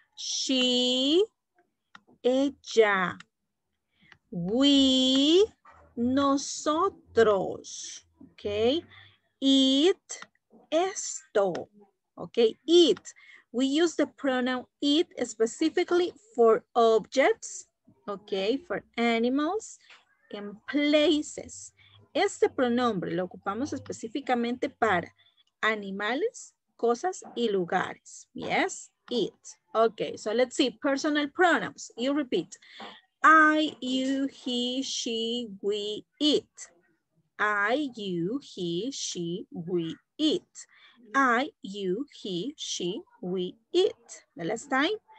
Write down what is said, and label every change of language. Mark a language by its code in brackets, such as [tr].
[en] She, ella. We, nosotros, okay? It, esto, okay? It, we use the pronoun it specifically for objects, okay? For animals and places. [es] Este pronombre lo ocupamos específicamente para animales, cosas y lugares, yes? [en] It, okay, so let's see, personal pronouns, you repeat. I, you, he, she, we, it. I, you, he, she, we, it. I, you, he, she, we, it. The last time.